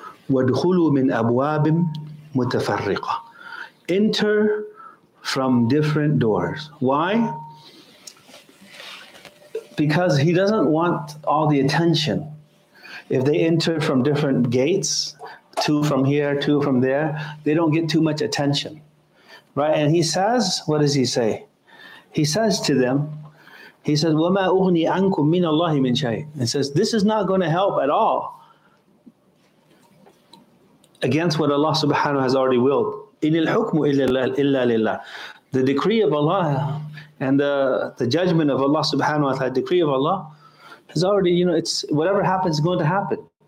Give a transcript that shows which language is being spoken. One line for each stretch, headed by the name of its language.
Arabic: Wadkhulu min abwabin mutafarriqa.
English: Enter from different doors. Why? Because he doesn't want all the attention. If they enter from different gates, two from here, two from there, they don't get too much attention. Right? And he says, what does he say? He says to them, he says,
Arabic: وَمَا أُغْنِي أَنْكُمْ مِنَ اللَّهِ مِنْ شَيْءٍ.
English: He says, this is not going to help at all against what Allah subhanahu wa ta'ala has already willed.
Arabic: إِنِ الْحُكْمُ إِلَّا لِلَّهِ.
English: The decree of Allah and the judgment of Allah subhanahu wa ta'ala, decree of Allah, has already, you know, it's whatever happens is going to happen.